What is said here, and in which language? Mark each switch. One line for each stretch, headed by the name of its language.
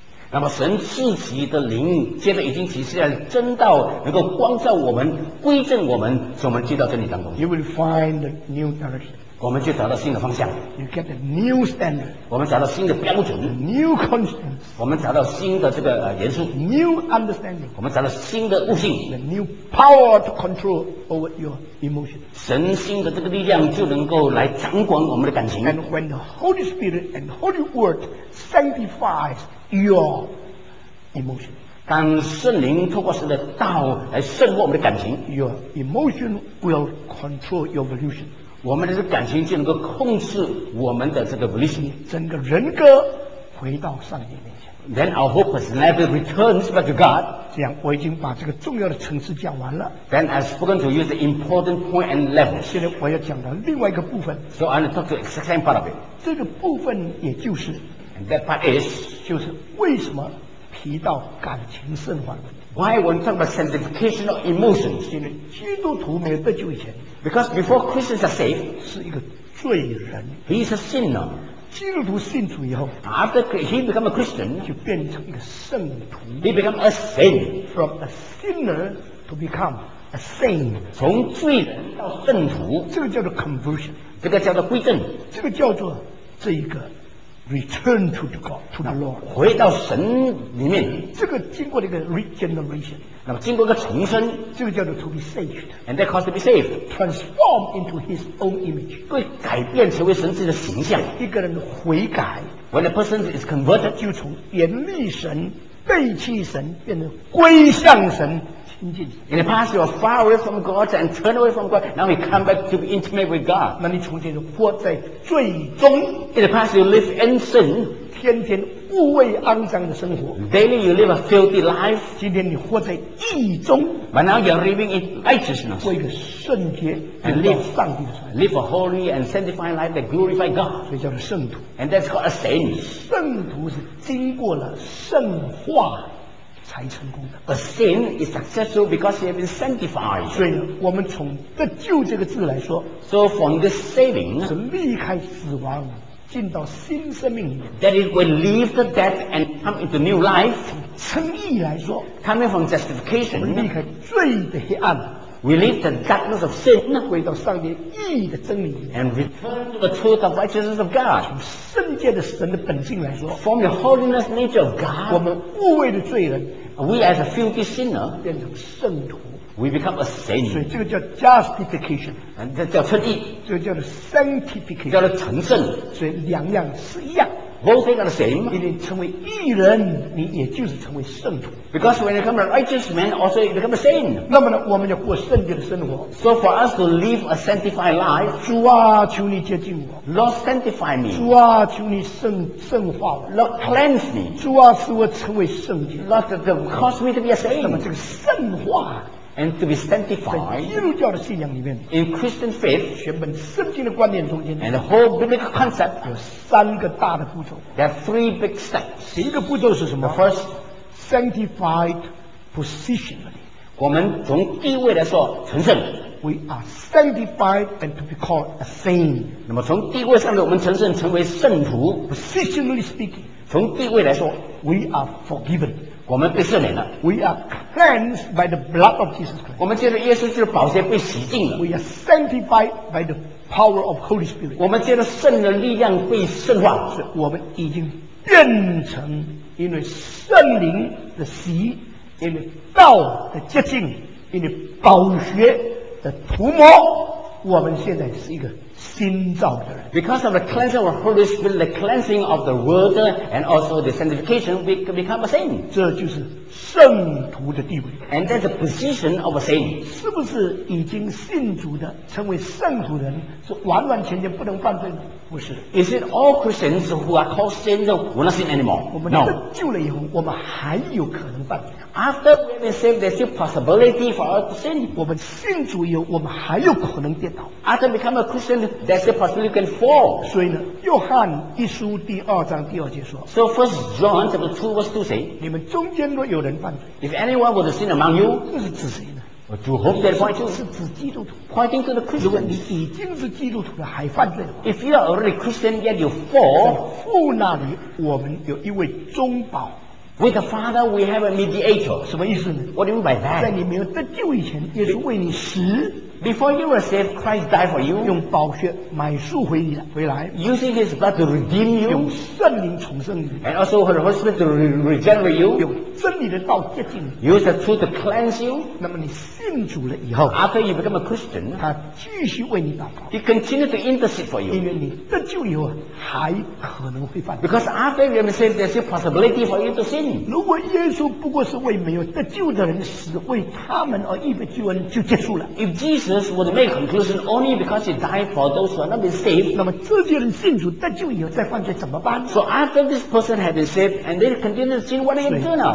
Chinese: 那么神赐其的灵接着已经启示了真道能够光照我们归正我们所以我们接到真理当中
English: You will find the new direction
Chinese: 我们就找到新的方向
English: You get a new standard
Chinese: 我们找到新的标准
English: New conscience
Chinese: 我们找到新的这个元素
English: New understanding
Chinese: 我们找到新的悟性
English: The new power to control over your emotion
Chinese: 神新的这个力量就能够来掌管我们的感情
English: And when the Holy Spirit and Holy Word sanctifiesYour emotion.
Chinese: 当圣灵透过神的道来胜过我们的感情
English: ，Your emotion will control your volition.
Chinese: 我们的这感情就能够控制我们的这个 volition. 整个人格回到上帝面前。
English: Then our whole personality returns back to God.
Chinese: 这样我已经把这个重要的层次讲完了。
English: Then I've spoken to you the important point and level.
Chinese: 现在我要讲到另外一个部分。
English: So I'm going to talk to the second part of it.
Chinese: 这个部分也就是。
English: And that part is.
Chinese: 就是为什么提到感情圣化的问题
English: Why we talk about sanctification of emotions?
Chinese: 因为基督徒没有得救以前
English: Because before Christians are saved
Chinese: 是一个罪人
English: He is a sinner
Chinese: 基督徒信主以后
English: After he become a Christian
Chinese: 就变成一个圣徒
English: He become a saint From a sinner to become a saint
Chinese: 从罪人到圣徒这个叫做 conversion 这个叫做归正这个叫做这一个
English: return to the God, to the Lord.
Chinese: 回到神里面。这个经过这个 regeneration，那么经过一个重生，这个叫做
English: to be saved， and that cause to be saved， transform into His own image，
Chinese: 被改变成为神自己的形象。一个人悔改，
English: when a person is converted，
Chinese: 就从远离神、背弃神，变成归向神。
English: In the past, you are far away from God and turn away from God. Now you come back to be intimate with God.
Chinese: 那你从前就活在罪中。
English: In the past, you live in sin.
Chinese: 天天污秽肮脏的生活。
English: Daily, you live a filthy life.
Chinese: 今天你活在义中。
English: But now you are living in righteousness.
Chinese: 过一个圣洁、
English: and live
Chinese: 上帝的生活。
English: Live a holy and sanctified life that glorify God.
Chinese: 所以叫做圣徒。
English: And that's called a saint.
Chinese: 圣徒是经过了圣化。才成功的。
English: A sin is successful because he has been sanctified.
Chinese: 所以我们从得救这个字来说，
English: so from this saving
Chinese: 是离开死亡进到新生命里面。
English: That it will leave the death and come into new life.
Chinese: 从称义来说，
English: coming from justification
Chinese: 我们离开罪的黑暗，
English: we leave the darkness of sin
Chinese: 回到上帝义的真理，
English: and return to the truth of righteousness of God.
Chinese: 从圣洁的神的本性来说，
English: from the holiness nature of God.
Chinese: 我们污秽的罪人，
English: We as a filthy sinner
Chinese: 变成圣徒，
English: We become a saint.
Chinese: 所以这个叫 justification，这叫称义，这个叫做 sanctification，叫做成圣。所以两样是一样，
English: both things are the same.
Chinese: 你成为义人，你也就是成为圣徒。
English: Because when you become a righteous man, also you become a saint.
Chinese: 那么呢，我们要过圣洁的生活。
English: So for us to live a sanctified life,
Chinese: 主啊，求你接近我。
English: Lord, sanctify me.
Chinese: 主啊，求你圣化我。
English: Lord, cleanse me.
Chinese: 主啊，使我成为圣洁。
English: Lord, cause me to be a saint.
Chinese: 那么这个圣化。
English: And to be sanctified.
Chinese: 在基督教的信仰里面，
English: in Christian faith,
Chinese: 全本圣经的观念中间，
English: and the whole biblical concept,
Chinese: 有三个大的步骤。
English: There are three big steps.
Chinese: 第一个步骤是什么？
English: The first, sanctified positionally.
Chinese: 我们从地位来说，成圣。
English: We are sanctified and to be called a saint.
Chinese: 那么从地位上的我们成圣，成为圣徒。
English: Positionally speaking,
Chinese: 从地位来说
English: ，we are forgiven.
Chinese: 我们被赦免了。
English: We are cleansed by the blood of Jesus Christ.
Chinese: 我们借着耶稣基督宝血被洗净了。
English: We are sanctified by the power of Holy Spirit.
Chinese: 我们借着圣的力量被圣化。是我们已经变成因为圣灵的洗，因为道的洁净，因为宝血的涂抹，我们现在是一个新造的人。
English: Because of the cleansing of the Holy Spirit, the cleansing of the word, and also the sanctification, we become a saint.
Chinese: 这就是圣徒的地位。
English: And that's the position of a saint.
Chinese: 是不是已经信主的，成为圣徒人，是完完全全不能犯罪的？不是。
English: Is it all Christians who are called saints will not sin anymore?
Chinese: 我们得救了以后，我们还有可能犯罪。
English: After we have been saved, there's still possibility for us to sin.
Chinese: 我们信主以后，我们还有可能跌倒。
English: After we become a Christian, there's still possibility we can fall.
Chinese: 所以呢，约翰一书第二章第二节说。
English: So first John chapter 2 verse 2 say,
Chinese: 你们中间若有人犯罪。
English: If anyone was a sin among you,
Chinese: 这是指谁呢？
English: To whom that point to?
Chinese: 是指基督徒。
English: Pointing to the Christians.
Chinese: 如果你已经是基督徒了，还犯罪的话。
English: If you are already Christian, yet you fall.
Chinese: 在父那里，我们有一位中保。
English: With the Father, we have a mediator.
Chinese: 什么意思呢？
English: What do you mean by that?
Chinese: 在你没有得救以前，耶稣为你死。
English: Before you were saved, Christ died for you.
Chinese: 用宝血买赎回你回来。
English: Using His blood to redeem you.
Chinese: 用圣灵重生你。
English: And also the Holy Spirit to regenerate you.
Chinese: 用真理的道洁净你。
English: Use the truth to cleanse you.
Chinese: 那么你信主了以后，
English: After you become a Christian,
Chinese: 他继续为你祷告。
English: He continues to intercede for you.
Chinese: 因为你得救以后还可能会犯罪。
English: Because after you have been saved, there's a possibility for you to sin.
Chinese: 如果耶稣不过是为没有得救的人死，为他们而预备救恩就结束了。
English: If Jesus would make conclusion only because he died for those who are not been saved.
Chinese: 那么这些人信主得救以后再犯罪怎么办？
English: So after this person had been saved and they continue to sin, what are you doing now?